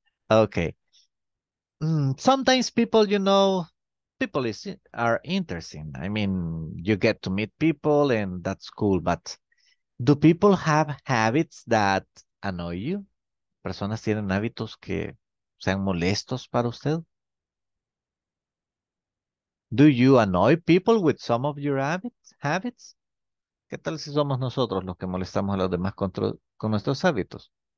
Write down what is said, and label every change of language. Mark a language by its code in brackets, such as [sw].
[en] Okay. Sometimes people, you know, people are interesting. I mean, you get to meet people and that's cool, but do people have habits that annoy you? [es] ¿Personas tienen hábitos que sean molestos para usted? [en] Do you annoy people with some of your habits? [es] ¿Qué tal si somos nosotros los que molestamos a los demás con nuestros hábitos?